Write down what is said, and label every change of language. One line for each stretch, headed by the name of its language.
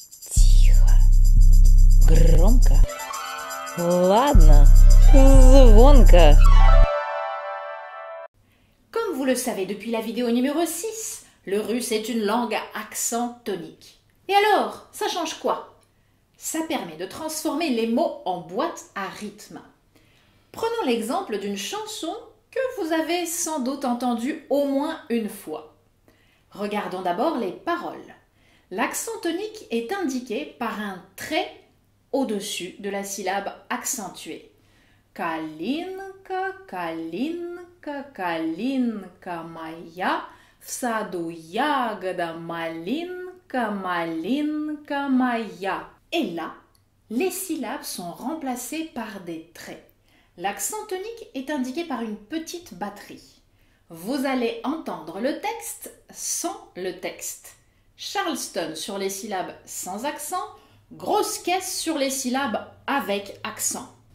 Russian: Тихо, громко, ладно, звонко!
French: Comme vous le savez depuis la vidéo numéro 6, le russe est une langue à accent tonique. Et alors, ça change quoi? Ça permet de transformer les mots en boîte à rythme. Prenons l'exemple d'une chanson que vous avez sans doute entendue au moins une fois. Regardons d'abord les paroles. L'accent tonique est indiqué par un trait au-dessus de la syllabe accentuée.
Russian: Калинка, калинка, калинка моя, в саду ягода малинка, малинка моя.
French: Et là, les syllabes sont remplacées par des traits. L'accent tonique est indiqué par une petite batterie. Vous allez entendre le texte sans le texte. Charleston sur les syllabes sans accent, grosse caisse sur les syllabes avec accent.